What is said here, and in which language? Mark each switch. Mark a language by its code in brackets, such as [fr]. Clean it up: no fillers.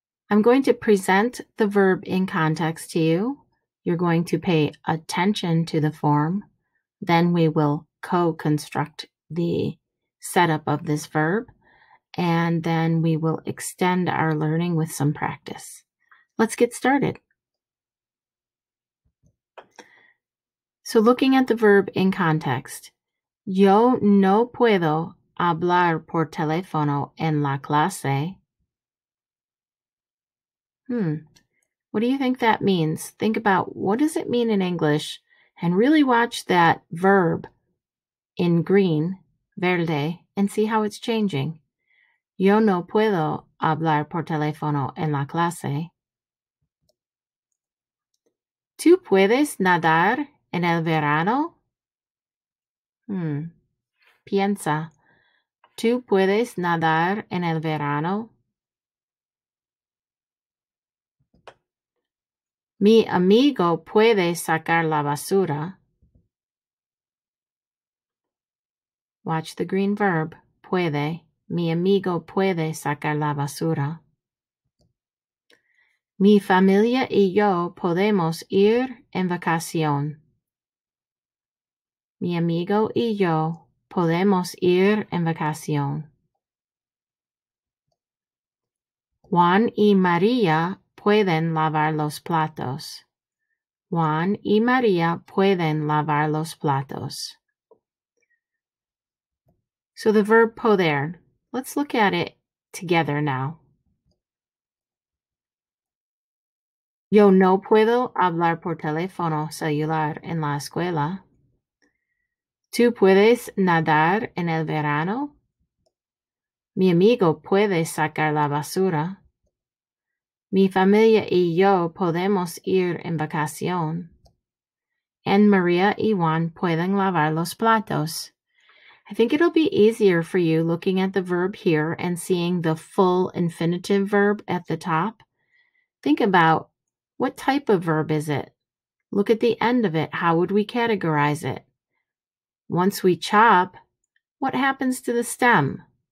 [en] I'm going to present the verb in context to you. You're going to pay attention to the form. Then we will co-construct the setup of this verb. And then we will extend our learning with some practice. Let's get started. So looking at the verb in context, [es] yo no puedo hablar por teléfono en la clase. [en] What do you think that means? Think about what does it mean in English and really watch that verb in green, verde, and see how it's changing. [es] Yo no puedo hablar por teléfono en la clase. ¿Tú puedes nadar en el verano? Piensa. ¿Tú puedes nadar en el verano? Mi amigo puede sacar la basura. [en] Watch the green verb, [es] puede. Mi amigo puede sacar la basura. Mi familia y yo podemos ir en vacación. Mi amigo y yo podemos ir en vacación. Juan y María pueden lavar los platos. Juan y María pueden lavar los platos. [en] So the verb poder. Let's look at it together now. [es] Yo no puedo hablar por teléfono celular en la escuela. ¿Tú puedes nadar en el verano? Mi amigo puede sacar la basura. Mi familia y yo podemos ir en vacación. En María y Juan pueden lavar los platos. [en] I think it'll be easier for you looking at the verb here and seeing the full infinitive verb at the top. Think about what type of verb is it? Look at the end of it. How would we categorize it? Once we chop, what happens to the stem?